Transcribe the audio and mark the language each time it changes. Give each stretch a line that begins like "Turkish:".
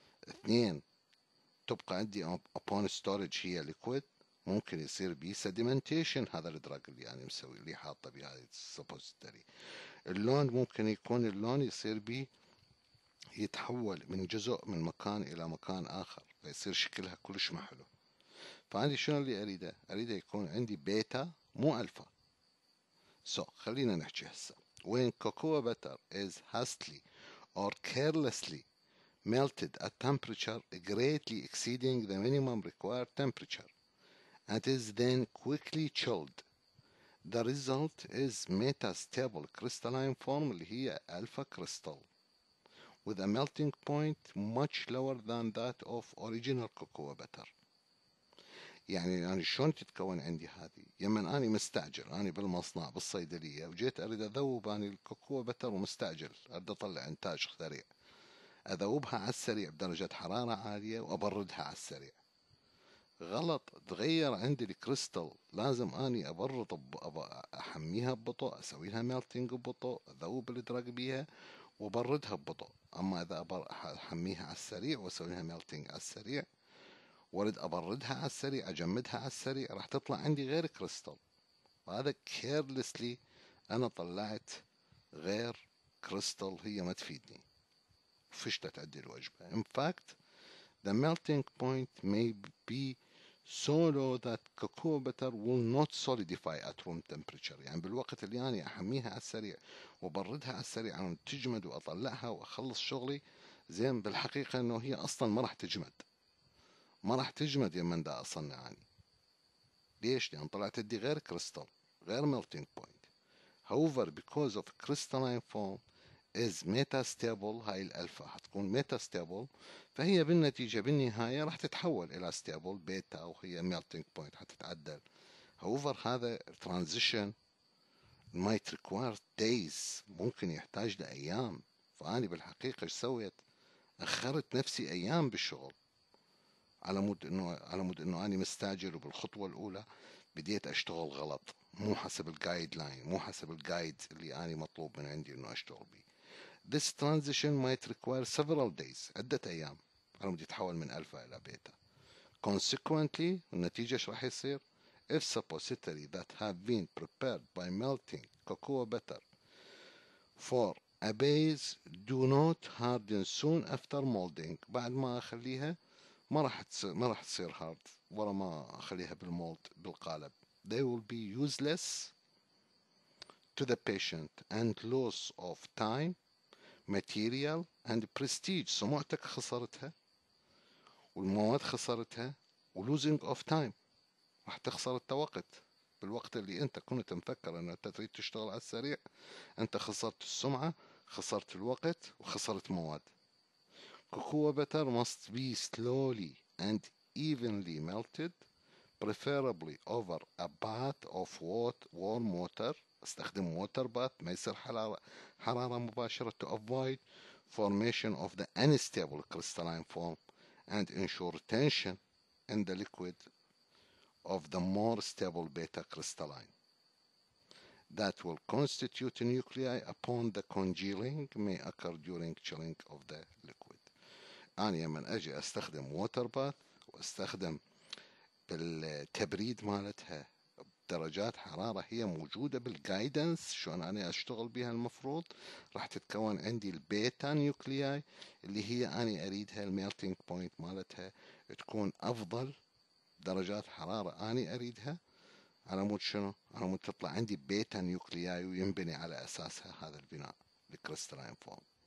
Arabic: اثنين, تبقى عندي
English: upon storage
Arabic: هي liquid, ممكن يصير بي sedimentation هذا الدراج اللي يعني مسوي اللي حاطه بها suppository. اللون ممكن يكون اللون يصير بي يتحول من جزء من مكان إلى مكان آخر فيصير شكلها كلش ما حلو. فعندي شنو اللي أريده؟ أريده يكون عندي بيتا مو ألفا.
English: So
Arabic: خلينا نحكي هسا,
English: when cocoa butter is hastily or carelessly melted at temperature greatly exceeding the minimum required temperature and is then quickly chilled, the result is metastable crystalline form
Arabic: اللي هي
English: alpha crystal with a melting point much lower than that of original cocoa butter.
Arabic: يعني أنا شلون تتكون عندي هذه؟ يمن أنا مستعجل, أنا بالمصنع بالصيدلية وجيت أريد أذوب أنا الكوكو بتر ومستعجل أريد أطلع إنتاج سريع, أذوبها على السريع بدرجة حرارة عالية وأبردها على السريع. غلط, تغير عندي الكريستال, لازم أني أبرد أحميها ببطء, أسوي لها ميلتينج ببطء, أذوب الدراج بيها وبردها ببطء. اما اذا احميها على السريع واسوي لها ميلتينج على السريع وارد ابردها على السريع اجمدها على السريع، راح تطلع عندي غير كريستال. وهذا كيرلسلي انا طلعت غير كريستال، هي ما تفيدني، فشلت عندي الوجبة.
English: In fact, the melting point may be so low that cocoa butter will not solidify at room temperature.
Arabic: يعني بالوقت اللي أنا أحميها على السريع وبردها على السريع عشان تجمد وأطلعها وأخلص شغلي زين، بالحقيقة إنه هي أصلاً ما راح تجمد، ما راح تجمد يا من ده أصلاً يعني. ليش؟ لأن طلعت دي غير كريستال، غير melting point.
English: However, because of crystalline form is metastable،
Arabic: هاي الألفا هتكون metastable، فهي بالنتيجة بالنهاية راح تتحول إلى stable بيتا، وهي melting point هتتعدل.
English: however
Arabic: هذا
English: transition might require days،
Arabic: ممكن يحتاج لأيام. فأني بالحقيقة إيش سويت؟ أخرت نفسي أيام بالشغل، على مود إنه أنا مستعجل، وبالخطوة الأولى بديت أشتغل غلط، مو حسب الجايد لاين، مو حسب الجايد اللي أنا مطلوب من عندي إنه أشتغل بيه.
English: This transition might require several days،
Arabic: عدة أيام على مود يتحول من ألفا إلى بيتا.
English: Consequently،
Arabic: النتيجة إيش راح يصير؟
English: If suppository that have been prepared by melting cocoa butter for a base do not harden soon after molding،
Arabic: بعد ما أخليها ما راح تصير
English: hard،
Arabic: ورا ما أخليها بالمولد بالقالب،
English: they will be useless to the patient and loss of time material and prestige.
Arabic: سمعتك خسرتها، والمواد خسرتها، و
English: losing of time،
Arabic: راح تخسر التوقت. بالوقت اللي انت كنت مفكر ان انت تريد تشتغل على السريع، انت خسرت السمعة، خسرت الوقت، وخسرت مواد.
English: cocoa butter must be slowly and evenly melted preferably over a bath of warm water.
Arabic: استخدم
English: water bath،
Arabic: ما يصير حرارة مباشرة،
English: to avoid formation of the unstable crystalline form and ensure tension in the liquid of the more stable beta crystalline that will constitute nuclei upon the congealing may occur during chilling of the liquid.
Arabic: يعني من أجي أستخدم water bath وأستخدم بالتبريد مالتها بدرجات حرارة هي موجودة بالجايدنس شلون أنا أشتغل بها، المفروض راح تتكون عندي البيتا نيوكلياي اللي هي أنا أريدها، الميلتينج بوينت مالتها تكون أفضل درجات حرارة أنا أريدها، على مود شنو؟ على مود تطلع عندي بيتا نيوكلياي وينبني على أساسها هذا البناء الكريستالين فورم.